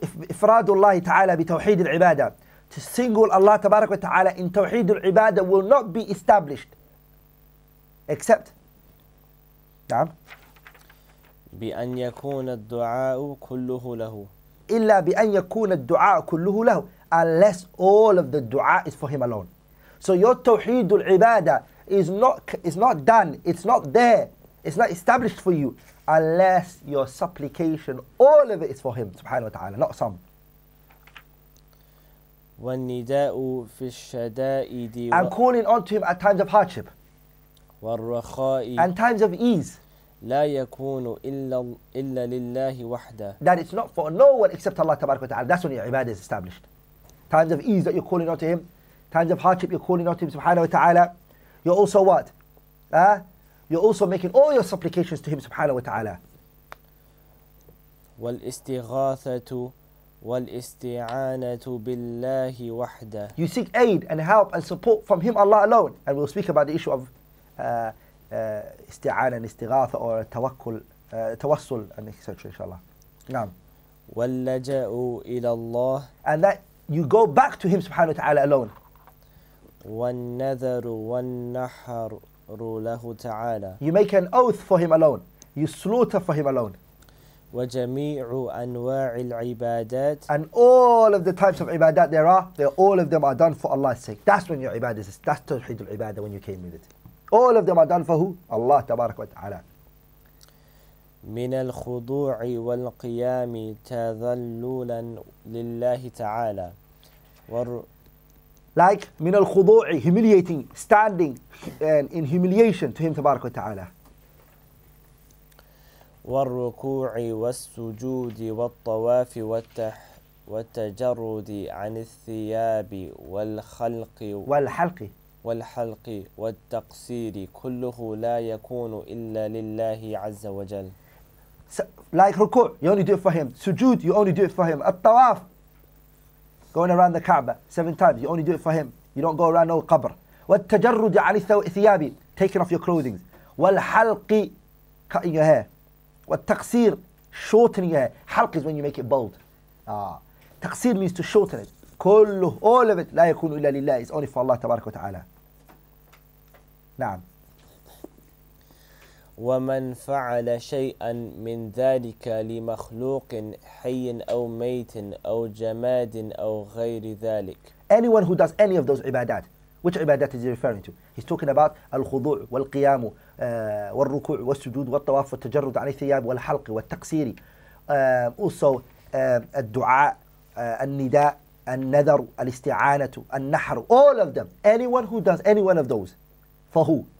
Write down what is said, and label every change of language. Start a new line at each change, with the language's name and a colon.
Arabic: إفراد الله تعالى بتوحيد العبادة.
English: To single Allah تبارك وتعالى in توحيد العبادة will not be established. Except. نعم.
Arabic: بأن يكون الدعاء كله له. إلا بأن يكون الدعاء كله له.
English: Unless all of the du'a is for him alone. So your tawheed al-ibada is not done. It's not there. It's not established for you. Unless your supplication, all of it is for him. Subhanahu wa ta'ala. Not some.
Arabic: والنداء في الشدائد.
English: And calling on to him at times of hardship.
Arabic: والرخاء.
English: And times of ease.
Arabic: لا يكون إلا لله وحده.
English: That it's not for no one except Allah تبارك وتعالى. That's when your ibadah is established. Times of ease that you're calling out to him. Times of hardship you're calling out to him سبحانه وتعالى. You're also what? You're also making all your supplications to him سبحانه وتعالى.
Arabic: والاستغاثة والاستعانة بالله وحده.
English: You seek aid and help and support from him Allah alone. And we'll speak about the issue of
Arabic: استعانة استغاثة أو توكل توصل أن يكسر إن شاء الله نعم واللجأ إلى الله
English: and that you go back to him سبحانه وتعالى alone
Arabic: والنذر والنحر له تعالى
English: you make an oath for him alone you slaughter for him alone
Arabic: وجميع أنواع العبادات
English: and all of the types of عبادات there are they're all of them are done for Allah's sake that's when your عبادة is that's توحيد العبادة when you came with it All of them are done for who? Allah تبارك وتعالى.
Arabic: من الخضوع والقيام تذللا لله تعالى.
English: Like
Arabic: من الخضوع
English: humiliating, standing and in humiliation to him تبارك وتعالى.
Arabic: والركوع والسجود والطواف والتجرد عن الثياب والخلق والحلق. والحلق والتقصير كله لا يكون إلا لله عز وجل.
English: Like ركوع, you only do it for him. Sujood, you only do it for him. الطواف, going around the Kaaba 7 times, you only do it for him. You don't go around no قبر.
Arabic: والتجرد عن الثياب,
English: taking off your clothing. والحلق, cutting your hair. والتقصير, shortening your hair. حلق is when you make it bold. تقصير means to shorten it.
Arabic: كله,
English: all of it,
Arabic: لا يكون إلا لله,
English: it's only for Allah
Arabic: تبارك وتعالى. نعم. ومن فعل شيئا من ذلك لمخلوق حي أو ميت أو جماد أو غير ذلك.
English: Anyone who does any of those ibadat, which ibadat is he referring to? He's talking about
Arabic: الخضوع والقيام والركوع والسجود والطواف والتجرد عن الثياب والحلق والتقصير. Also الدعاء, النداء, النذر, الاستعانة, النحر,
English: all of them. Anyone who does any one of those, for who?